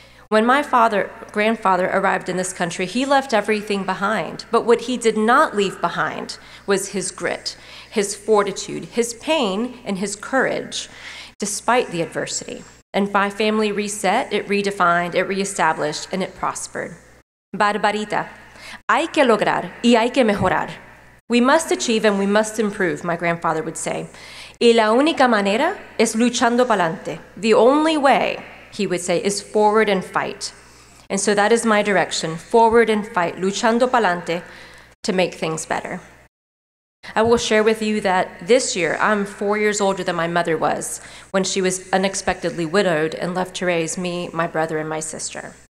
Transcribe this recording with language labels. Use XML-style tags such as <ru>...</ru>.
<en>When my grandfather arrived in this country, he left everything behind. But what he did not leave behind was his grit, his fortitude, his pain, and his courage, despite the adversity. And my family reset, it redefined, it reestablished, and it prospered.</en> <es>Barbarita, hay que lograr y hay que mejorar.</es> <en>We must achieve and we must improve, my grandfather would say.</en> <es>Y la única manera es luchando pa'lante.</es> <en>The only way, he would say, is forward and fight. And so that is my direction, forward and fight,</en> <es>luchando pa'lante,</es> <en>to make things better. I will share with you that this year, I'm 4 years older than my mother was when she was unexpectedly widowed and left to raise me, my brother, and my sister.</en>